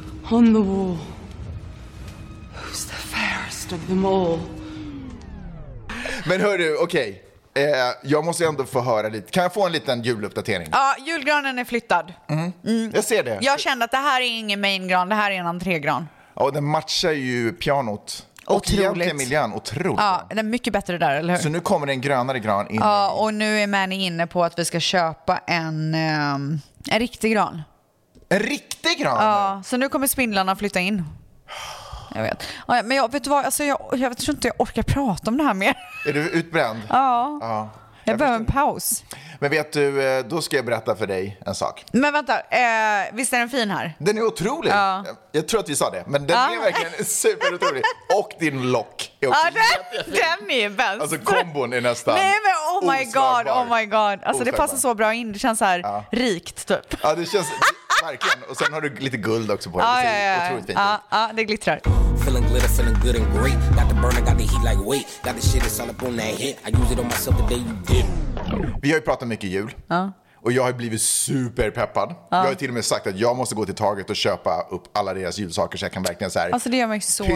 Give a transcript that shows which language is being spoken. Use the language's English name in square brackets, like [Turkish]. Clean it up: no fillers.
[English] On the wall, who's the fairest of them all? [Swedish] Men hör du, okej. Okay. Jag måste ändå få höra lite. Kan jag få en liten juluppdatering? Ja, julgranen är flyttad. Jag ser det. Jag kände att det här är ingen maingran, det här är en entrégran. Ja, och den matchar ju pianot. Otroligt. Och egentligen miljön, otroligt. Ja, den är mycket bättre där, eller hur? Så nu kommer det en grönare gran in. Ja, och nu är Manny inne på att vi ska köpa en riktig gran. En riktig gran? Ja, så nu kommer spindlarna flytta in. Jag vet. Men jag vet vad, alltså jag vet inte, jag orkar prata om det här mer. Är du utbränd? Ja. Ja. Jag behöver en paus. Men vet du, då ska jag berätta för dig en sak. Men vänta, visst är den fin här? Den är otrolig. Ja. Jag tror att vi sa det, men den är verkligen superotrolig. Och din lock är också den är bäst. Alltså kombon är nästan. Nej, men [English] oh my god, oh my god. [Swedish] Alltså osvarbar. Det passar så bra in, det känns så här rikt typ. Ja, det känns verkligen. Och sen har du lite guld också på den. Ja, otroligt fint. Ja, det glittrar. [English] Feeling glitter, feeling good and great. Got the burner, got the heat like weight. Got the shit that's all up on that hit. I use it on myself the day you did. [Swedish] Vi har ju pratat mycket jul. Och jag har blivit superpeppad. Jag har till och med sagt att jag måste gå till Target och köpa upp alla deras julsaker så jag kan verkligen så här. Alltså det gör mig så glad.